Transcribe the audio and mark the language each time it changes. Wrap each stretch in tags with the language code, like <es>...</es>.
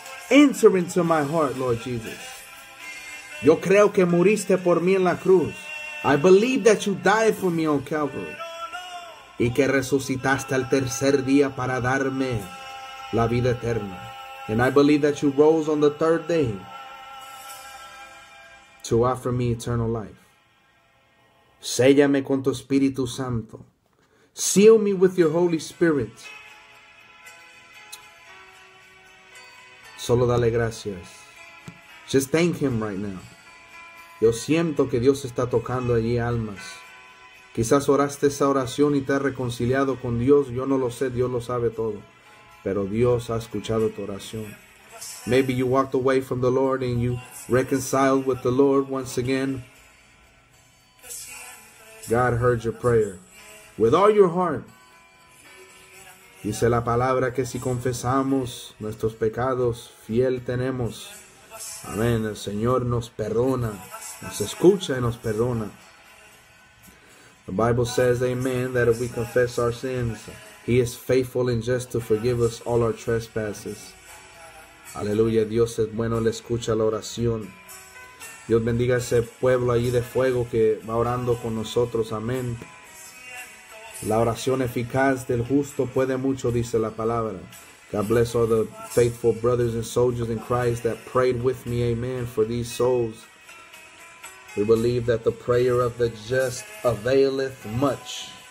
<en>Enter into my heart, Lord Jesus.</en> <es>Yo creo que muriste por mí en la cruz.</es> <en>I believe that you died for me on Calvary.</en> <es>Y que resucitaste al tercer día para darme la vida eterna.</es> <en>And I believe that you rose on the third day to offer me eternal life.</en> <es>Séllame con tu Espíritu Santo.</es> <en>Seal me with your Holy Spirit.</en> <es>Solo dale gracias.</es> <en>Just thank him right now.</en> <es>Yo siento que Dios está tocando allí almas. Quizás oraste esa oración y te has reconciliado con Dios. Yo no lo sé, Dios lo sabe todo. Pero Dios ha escuchado tu oración.</es> <en>Maybe you walked away from the Lord and you reconciled with the Lord once again. God heard your prayer with all your heart.</en> <es>Dice la palabra que si confesamos nuestros pecados, fiel tenemos. Amén. El Señor nos perdona, nos escucha y nos perdona.</es> <en>The Bible says, amen, that if we confess our sins, he is faithful and just to forgive us all our trespasses.</en> <es>Aleluya, Dios es bueno, le escucha la oración. Dios bendiga a ese pueblo allí de fuego que va orando con nosotros, amén. La oración eficaz del justo puede mucho, dice la palabra.</es> <en>God bless all the faithful brothers and soldiers in Christ that prayed with me, amen, for these souls. We believe that the prayer of the just availeth much.</en>